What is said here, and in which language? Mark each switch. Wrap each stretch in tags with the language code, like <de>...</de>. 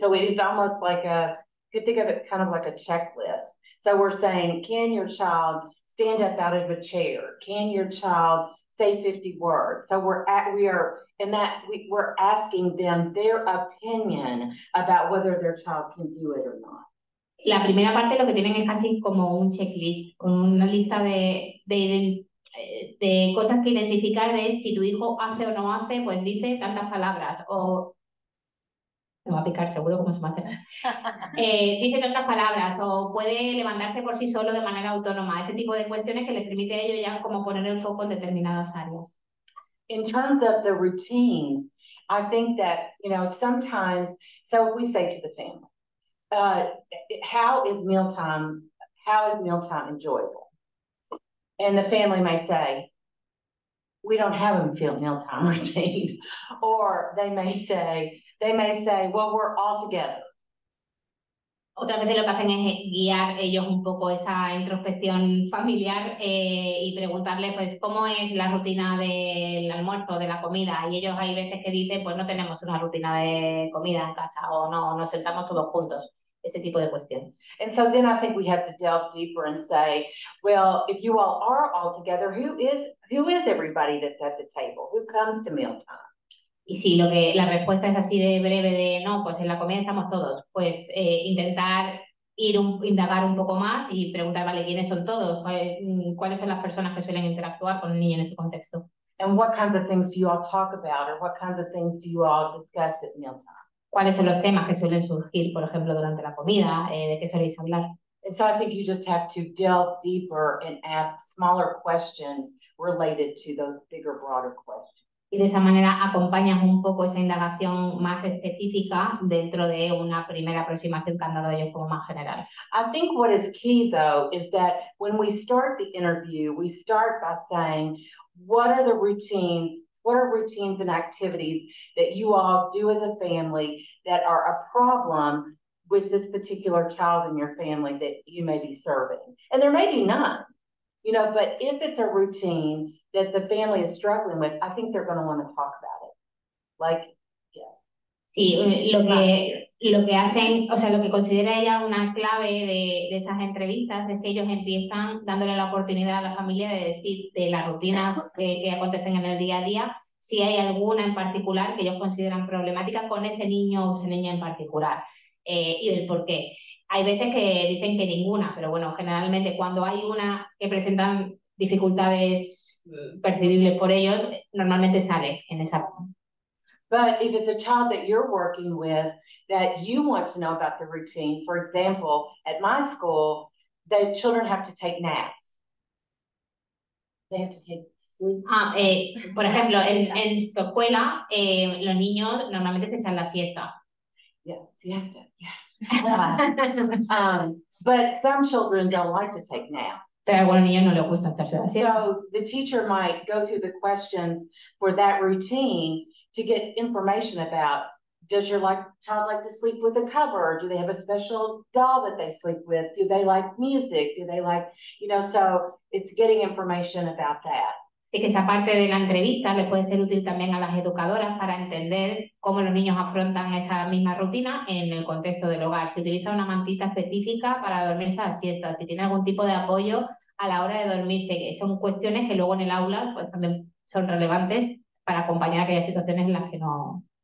<en>So it is almost like you think of it kind of like a checklist. So we're saying, can your child stand up out of a chair? Can your child say 50 words? So we're asking them their opinion about whether their child can do it or not.</en> <es>La primera parte lo que tienen es casi como un checklist, con una lista de cosas que identificar de si tu hijo hace o no hace, pues dice tantas palabras. O me va a picar seguro como se me hace. Dice tantas palabras o puede levantarse por sí solo de manera autónoma. Ese tipo de cuestiones que les permite a ellos ya como poner el foco en determinadas áreas.</es> <en>In terms of the routines, I think that, you know, sometimes, so we say to the family, how is mealtime enjoyable? And the family may say, we don't have a mealtime routine. Or they may say, well, we're all together.</en> <es>Otra vez lo que hacen es guiar ellos un poco esa introspección familiar y preguntarles, pues, ¿cómo es la rutina del almuerzo, de la comida? Y ellos hay veces que dicen, pues, no tenemos una rutina de comida en casa o no, nos sentamos todos juntos, ese tipo de cuestiones.</es> <en>And so then I think we have to delve deeper and say, well, if you all are all together, who is everybody that's at the table? Who comes to mealtime?</en> <es>Y si lo que la respuesta es así de breve de no, pues en la comida estamos todos, pues intentar indagar un poco más y preguntar, vale, ¿quiénes son todos? ¿Cuáles son las personas que suelen interactuar con un niño en ese contexto?</es> <en>And what kinds of things do you all talk about, or what kinds of things do you all discuss at mealtime?</en> <es>¿Cuáles son los temas que suelen surgir, por ejemplo, durante la comida? ¿De qué soléis hablar?</es> <en>And so I think you just have to delve deeper and ask smaller questions related to those bigger, broader questions.</en> <es>Y de esa manera acompañas un poco esa indagación más específica dentro de una primera aproximación que han dado ellos como más general.</es> <en>I think what is key, though, is that when we start the interview, we start by saying, what are routines and activities that you all do as a family that are a problem with this particular child in your family that you may be serving? And there may be none. You know, but if it's a routine that the family is struggling with, I think they're going to want to talk about it. Like, yeah.</en> <es>Sí, lo que lo que hacen, o sea, lo que considera ella una clave de esas entrevistas es que ellos empiezan dándole la oportunidad a la familia de decir de la rutina que acontecen en el día a día, si hay alguna en particular que ellos consideran problemática con ese niño o esa niña en particular, y el por qué. Hay veces que dicen que ninguna, pero bueno, generalmente cuando hay una que presentan dificultades percibibles por ellos, normalmente sale en esa.</es> <en>But if it's a child that you're working with that you want to know about the routine, for example, at my school, the children have to take naps. They have to take sleep.</en> <es>Por ejemplo, en su escuela, los niños normalmente se echan la siesta.</es> <en>Yeah, siesta, yeah. but some children don't like to take naps.</en> <es>Pero a algunos niños no les gusta echarse la siesta.</es> <en>So the teacher might go through the questions for that routine to get information about, does your child like to sleep with a cover? Do they have a special doll that they sleep with? Do they like music? Do they like, you know, so it's getting information about that.</en> <es>Y que esa parte de la entrevista le puede ser útil también a las educadoras para entender cómo los niños afrontan esa misma rutina en el contexto del hogar. Si utiliza una mantita específica para dormirse a la siesta, si tiene algún tipo de apoyo a la hora de dormirse, que son cuestiones que luego en el aula pues también son relevantes para acompañar aquellas situaciones en las que no.</es>